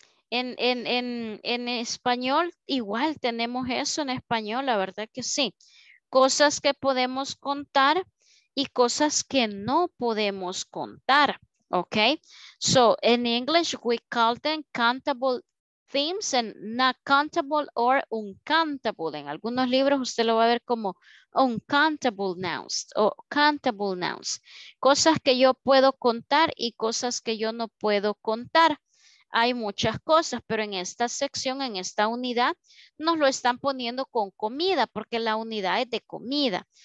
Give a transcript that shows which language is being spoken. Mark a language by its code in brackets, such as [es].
[es] En español igual tenemos eso en español, la verdad que sí. Cosas que podemos contar y cosas que no podemos contar, ¿ok? [en] So, in English, we call them countable things and not countable or uncountable. [es] En algunos libros usted lo va a ver como uncountable nouns o countable nouns. Cosas que yo puedo contar y cosas que yo no puedo contar. Hay muchas cosas, pero en esta sección, en esta unidad, nos lo están poniendo con comida, porque la unidad es de comida.